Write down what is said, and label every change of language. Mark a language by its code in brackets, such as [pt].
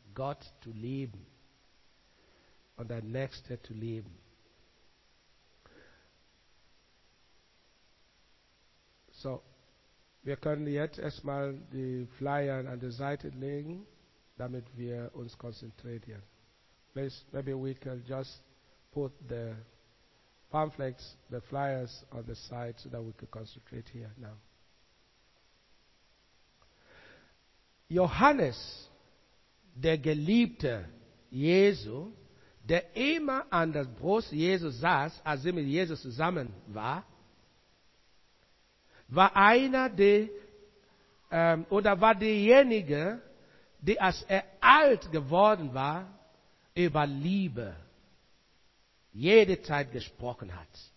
[de] Gott zu lieben und dein Nächster zu lieben. So, wir können jetzt erstmal die Flyer an der Seite legen, damit wir uns konzentrieren. [en] Please, maybe we can just put the pamphlets, the flyers on the side so that we can concentrate here now. [de] Johannes, der Geliebte Jesu, der immer an der Brust Jesu saß, als er mit Jesus zusammen war, war einer der, war derjenige, der, als er alt geworden war, über Liebe jede Zeit gesprochen hat.